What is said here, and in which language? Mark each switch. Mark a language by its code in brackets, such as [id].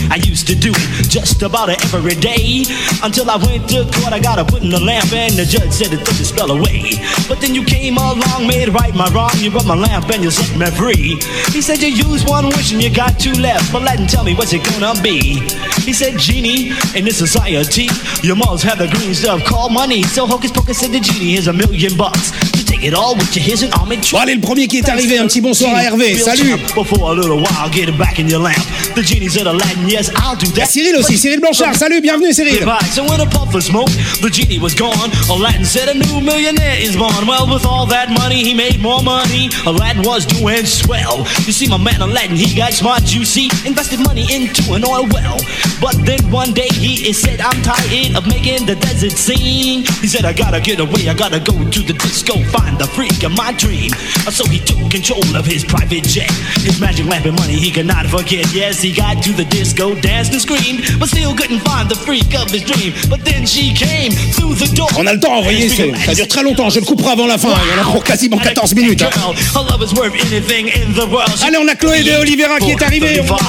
[en] I used to do it just about every day. Until I went to court, I got a put in the lamp, and the judge said to throw the spell away. But then you came along, made right my wrong. You brought my lamp and you set me free. He said you used one wish and you got two left. But let him tell me what's it gonna be. He said, genie, in this society, your moms have the green stuff called money. So hocus pocus said the genie, here's $1,000,000. It all, here's an army. [fr] Bon, allez, le premier qui est arrivé, un petit bonsoir à Hervé, salut. [en] Before a little while, get back in your lamp. The genie's in a lamp, yes, I'll do that. [fr] Cyril aussi, Cyril Blanchard, salut, bienvenue Cyril. [en] So when a puff of smoke, the genie was gone. Aladdin said a new millionaire is born. Well, with all that money, he made more money. Aladdin was doing swell. You see, my man Aladdin, he got smart, you see. Invested money into an oil well. But then one day, he said, I'm tired of making the desert scene. He said, I gotta get away, I gotta go to the disco. Find the freak of my dream. So he took control of his private jet. His magic lamp and money he could not forget. Yes, he got to the disco, danced and screamed, but still couldn't find the freak of his dream. But then she came through the door. [fr] On a le temps, vous voyez, ça dure très longtemps. Je le couperai avant la fin. Wow. Il y en a pour quasiment 14 minutes. Hein. [en] Love is worth anything in the world. [fr] Allez, on a Chloé de Oliveira qui est arrivée.